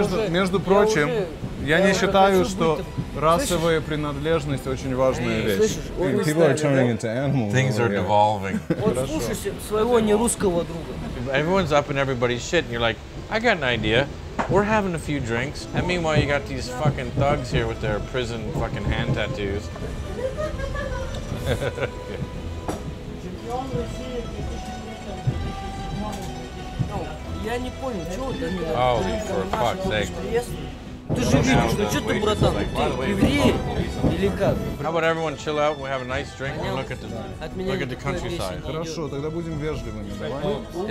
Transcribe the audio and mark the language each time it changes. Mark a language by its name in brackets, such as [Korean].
[Russian] Между прочим, я не считаю, что расовая принадлежность очень важная вещь. [English] People are turning into animals. Things are devolving. [Russian] Своего нерусского друга. [English] Everyone's up in everybody's shit, and you're like, I got an idea. We're having a few drinks. And meanwhile, you got these fucking thugs here with their prison fucking hand tattoos. Holy for fuck's sake. How about everyone chill out and we have a nice drink and look at the countryside? [Russian] Хорошо, тогда будем вежливыми.